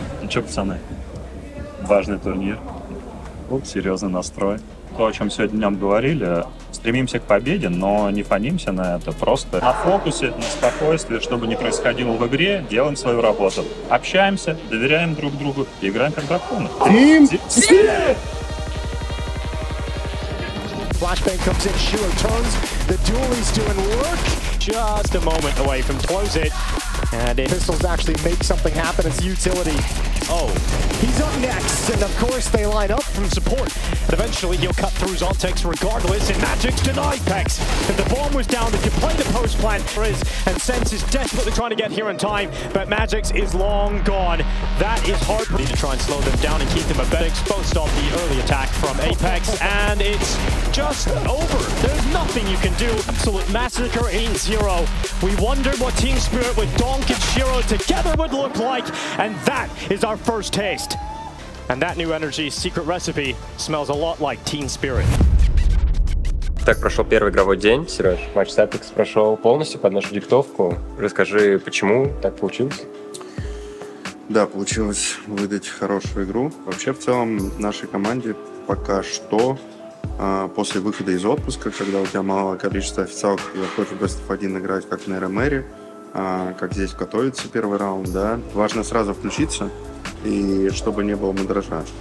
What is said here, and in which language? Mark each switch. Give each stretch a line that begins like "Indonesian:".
Russian: Ну что, пацаны, важный турнир, серьезный настрой. То, о чем сегодня днем говорили, стремимся к победе, но не фонимся на это. Просто на фокусе, на спокойствии, чтобы не происходило в игре, делаем свою работу. Общаемся, доверяем друг другу и играем как драконы. Тим!
English: Flashbang comes in, Shiro turns, the dualie's doing work, just a moment away from close it, and it... Pistols actually make something happen, it's utility. Oh, he's up next, and of course they line up from support, but eventually he'll cut through Zontex regardless, and Magic's denied Pex, and the bomb was down, if you play the post plant, Frizz, and Sense is desperately trying to get here in time, but Magic's is long gone, that is hard for me to try and slow them down and keep them a bit exposed on the early attack from Apex, and it's just over, there's nothing you can do, absolute massacre in zero, we wondered what Team Spirit with Donk and Shiro together would look like, and that is our first taste. And that new energy's secret recipe smells a lot like Teen Spirit.
Russian: Так, прошел первый игровой день, Сереж. Матч с Apex прошел полностью под нашу диктовку. Расскажи, почему так получилось? Да, получилось выдать хорошую игру. Вообще, в целом, нашей команде пока что после выхода из отпуска, когда у тебя мало количества официалов, когда хочешь в Best of 1 играть, как на Эромэре, как здесь в Катовице первый раунд, да, важно сразу включиться, и чтобы не было мандража.